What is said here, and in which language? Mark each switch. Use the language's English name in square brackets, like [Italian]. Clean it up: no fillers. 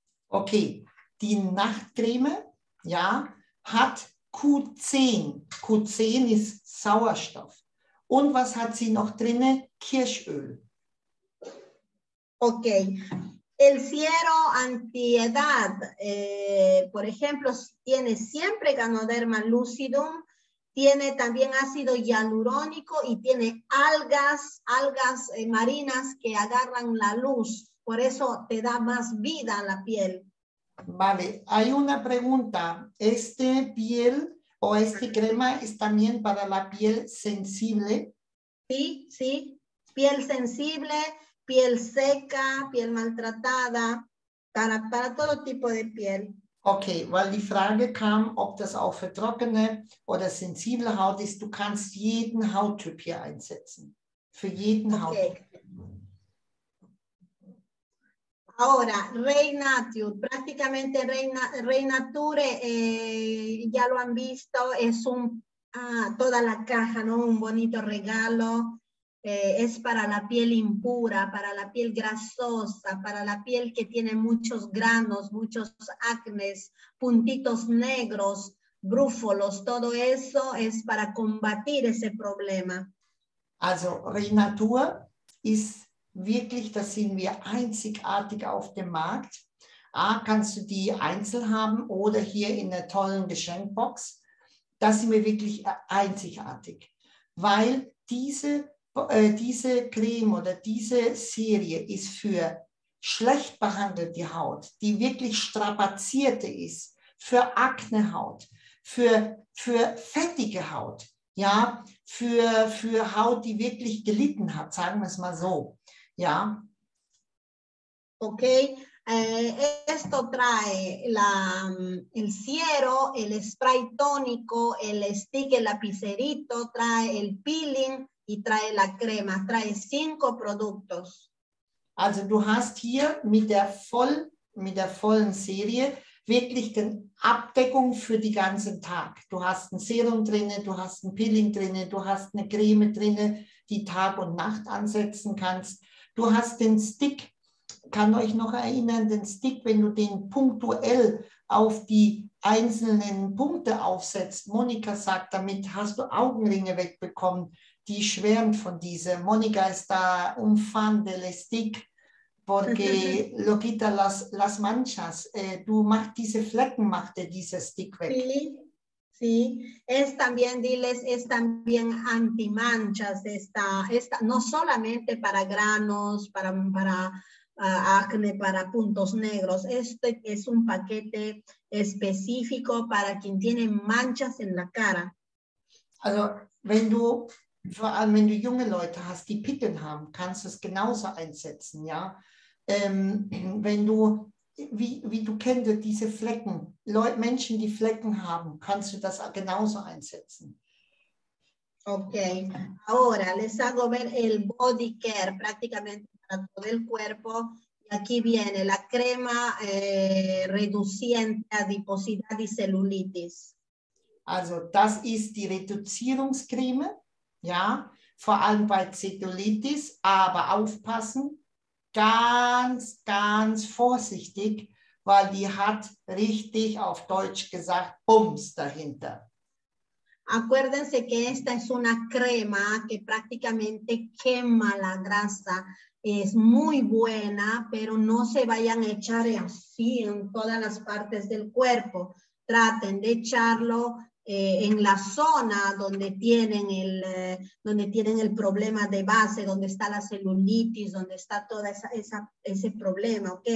[German] Okay, die Nachtcreme, ja, hat Q10. Q10 ist Sauerstoff. Und was hat sie noch drin? Kirschöl. [Spanish] Okay, el siero antiedad, por ejemplo, tiene siempre Ganoderma lucidum, tiene también ácido hialurónico y tiene algas marinas que agarran la luz, por eso te da más vida a la piel. Vale, hay una pregunta, ¿este piel o este crema es también para la piel sensible? Sí, sí, piel sensible. Piel seca, piel maltratada, para todo tipo de piel. [German] Okay, weil die Frage kam, ob das auch für trockene oder sensible Haut ist. Du kannst jeden Hauttyp hier einsetzen. Für jeden okay. Hauttyp. [Spanish] Ahora, Reinature. Prácticamente Reinature, ya lo han visto, es un, toda la caja, ¿no? Un bonito regalo. Es para la piel impura, para la piel grasosa, para la piel que tiene muchos granos, muchos acnes, puntitos negros, brúfolos, todo eso es para combatir ese problema. [German] Also Renatur ist wirklich, das sehen wir einzigartig auf dem Markt. A, kannst du die einzeln haben oder hier in der tollen Geschenkbox. Das sind wir wirklich einzigartig, weil diese diese Creme oder diese Serie ist für schlecht behandelte Haut, die wirklich strapazierte ist, für Aknehaut, für fettige Haut, ja, für Haut, die wirklich gelitten hat, sagen wir es mal so, ja. [Spanish] Okay, esto trae el siero, el spray tónico, el stick, el lapicerito, trae el peeling y trae la crema, trae 5 productos. [German] Also du hast hier mit der vollen Serie wirklich eine Abdeckung für den ganzen Tag. Du hast ein Serum drinne, du hast ein Peeling drinne, du hast eine Creme drinne, die Tag und Nacht ansetzen kannst. Du hast den Stick, kann euch noch erinnern, den Stick, wenn du den punktuell auf die einzelnen Punkte aufsetzt. Monika sagt, damit hast du Augenringe wegbekommen. Die schwärmt von dieser. Monika ist da [Spanish] un fan del stick, porque lo quita las manchas. [German] Du machst diese Flecken, macht dir dieser Stick weg. [Spanish] Sí, sí. Es también, diles, es también anti-manchas. Esta, no solamente para granos, para acne, para puntos negros. Este es un paquete específico para quien tiene manchas en la cara. [German] Also, wenn du... Vor allem, wenn du junge Leute hast, die Pickeln haben, kannst du es genauso einsetzen, ja. Wenn du, wie du kennst, diese Flecken, Menschen, die Flecken haben, kannst du das genauso einsetzen. Okay. [Spanish] Ahora les hago ver el body care, prácticamente para todo el cuerpo. Y aquí viene la crema reduciente adiposidad y celulitis. [German] Also, das ist die Reduzierungscreme. Ja, vor allem bei Zellulitis, aber aufpassen, ganz, ganz vorsichtig, weil die hat richtig auf Deutsch gesagt Bums dahinter. [Spanish] Acuérdense que esta es una crema que prácticamente quema la grasa. Es muy buena, pero no se vayan a echar así en todas las partes del cuerpo. Traten de echarlo en la zona donde tienen el problema de base, donde está la celulitis, donde está toda ese problema, ¿ok?